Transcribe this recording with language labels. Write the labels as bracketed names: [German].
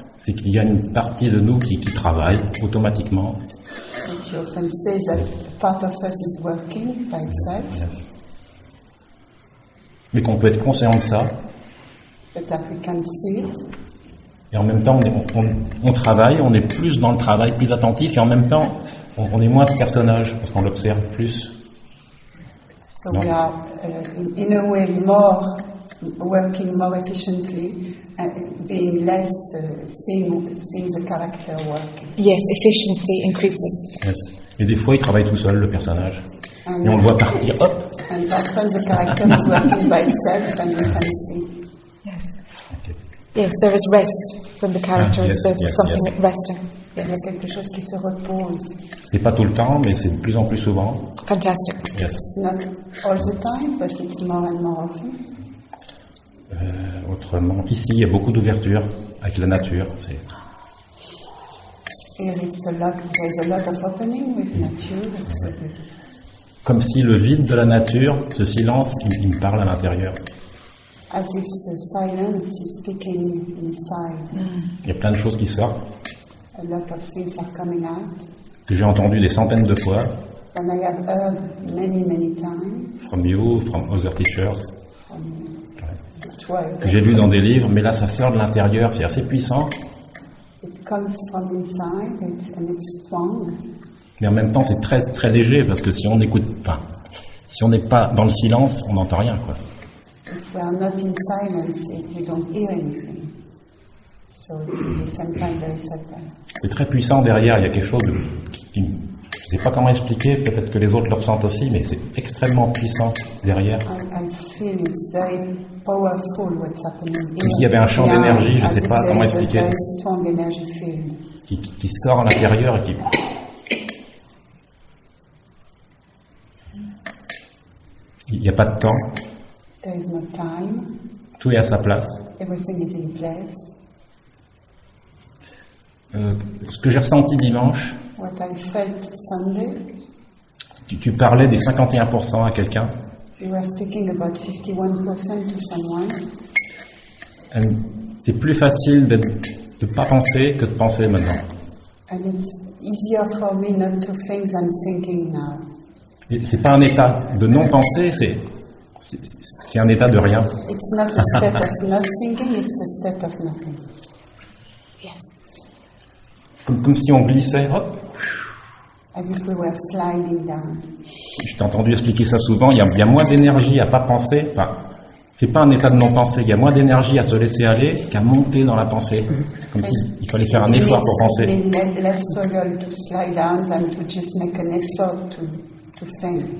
[French] C'est qu'il y a une partie de nous qui travaille automatiquement. [English] And you often say that part of us is working by itself. Yes. [French] Mais qu'on peut être conscient de ça. [English] But that we can see it. [French] Et en même temps, on travaille, on est plus dans le travail, plus attentif, et en même temps, on est moins ce personnage, parce qu'on l'observe plus. [English] So [French] non. [English] We are, in a way, more working more efficiently. Being less seeing the character work. Yes, efficiency increases. Yes. [French] Et des fois, il travaille tout seul, le personnage. And on le voit partir, hop. [English] And often the character is working by itself, and we can see. Yes. Okay. Yes, there is rest when the character is something resting. [French] Il y a quelque chose qui se repose. C'est pas tout le temps, mais c'est de plus en plus souvent. [English] Fantastic. Yes. Not all the time, but it's more and more often. [French] Autrement, ici il y a beaucoup d'ouverture avec la nature. C'est... [English] Here it's a lot. There's a lot of opening with nature. It's so beautiful. [French] Comme si le vide de la nature, ce silence, il me parle à l'intérieur. [English] As if the silence is speaking inside. [French] Il y a plein de choses qui sortent. [English] A lot of things are coming out. [French] Que j'ai entendu des centaines de fois. [English] And I have heard many, many times. From you, from other teachers. From [French] que j'ai lu dans des livres, mais là ça sort de l'intérieur, c'est assez puissant. [English] It comes from inside, and it's strong. [French] Mais en même temps, c'est très très léger parce que si on n'écoute pas, si on n'est pas dans le silence, on n'entend rien, quoi. [English] If we are not in silence, if we don't hear anything, so it's at the same time very subtle. [French] C'est très puissant derrière. Il y a quelque chose qui je ne sais pas comment expliquer, peut-être que les autres le ressentent aussi, mais c'est extrêmement puissant derrière. [English] I feel it's very powerful what's happening here. [French] Comme s'il y avait un champ d'énergie, je ne sais pas comment expliquer, [English] a very strong energy field. [French] Qui sort à l'intérieur et qui... Il n'y a pas de temps. [English] There is no time. [French] Tout est à sa place. [English] Everything is in place. [French] Ce que j'ai ressenti dimanche, [English] what I felt Sunday, [French] Tu parlais des 51% à quelqu'un. [English] You were speaking about 51% to someone. [French] And c'est plus facile de pas penser que de penser maintenant. [English] And it's easier for me not to think than thinking now. [French] Et c'est pas un état de non penser, c'est un état de rien. [English] It's not a state of not thinking, it's a state of nothing. Yes. [French] Comme si on glissait, hop. [English] As if we were sliding down. [French] Je t'ai entendu expliquer ça souvent, il y a moins d'énergie à pas penser, enfin, c'est pas un état de non-pensée, il y a moins d'énergie à se laisser aller qu'à monter dans la pensée, comme s'il si fallait faire un effort pour penser. [English] Less struggle to slide down than to just make an effort to think.